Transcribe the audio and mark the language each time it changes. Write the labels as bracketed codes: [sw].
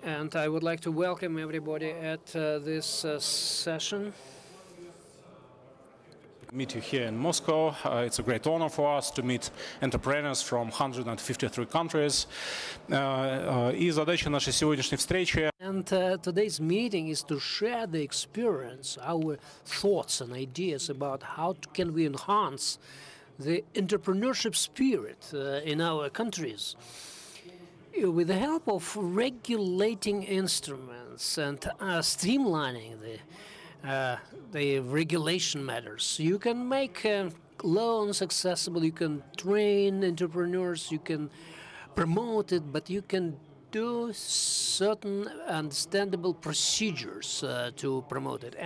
[en] And I would like to welcome everybody at this session. Meet you here in Moscow. It's a great honor for us to meet entrepreneurs from 153 countries. [ru] И задача нашей сегодняшней встречи. [en] And today's meeting is to share the experience, our thoughts and ideas about how can we enhance the entrepreneurship spirit in our countries. With the help of regulating instruments and streamlining the regulation matters, you can make loans accessible, you can train entrepreneurs, you can promote it, but you can do certain understandable procedures to promote it.